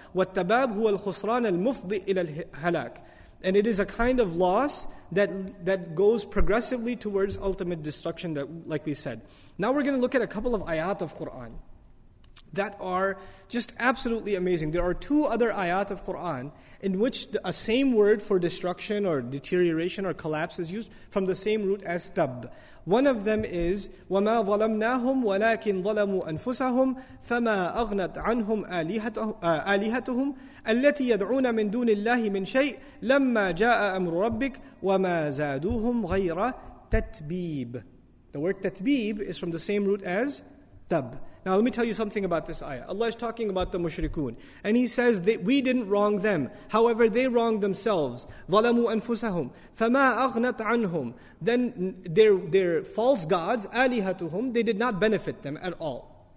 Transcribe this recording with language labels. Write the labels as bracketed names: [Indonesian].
[Arabic] Wat tabab huwa al-khusran al-mufdi ila al-halak. [English] And it is a kind of loss that goes progressively towards ultimate destruction, that, like we said. Now we're going to look at a couple of ayat of Quran. that are just absolutely amazing. There are two other ayat of Quran in which a same word for destruction or deterioration or collapse is used from the same root as tab. [Arabic] One of them is وَمَا ظَلَمْنَاهُمْ وَلَكِنْ ظَلَمُوا أَنفُسَهُمْ فَمَا أَغْنَتْ عَنْهُمْ آلِهَتُهُمْ الَّتِي يَدْعُونَ مِن دُونِ اللَّهِ مِنْ شَيْءٍ لَمَّا جَاءَ أَمْرُ رَبِّكَ وَمَا زَادُوهُمْ غَيْرَ تَتْبِيبٍ. [English] The word tatbib is from the same root as tab. Now let me tell you something about this ayah. Allah is talking about the mushrikun. And He says that we didn't wrong them. However, they wronged themselves. [Arabic] ظَلَمُوا أَنفُسَهُمْ فَمَا أَغْنَتْ عَنْهُمْ. [English] Then their false gods, آلِهَتُهُمْ, they did not benefit them at all.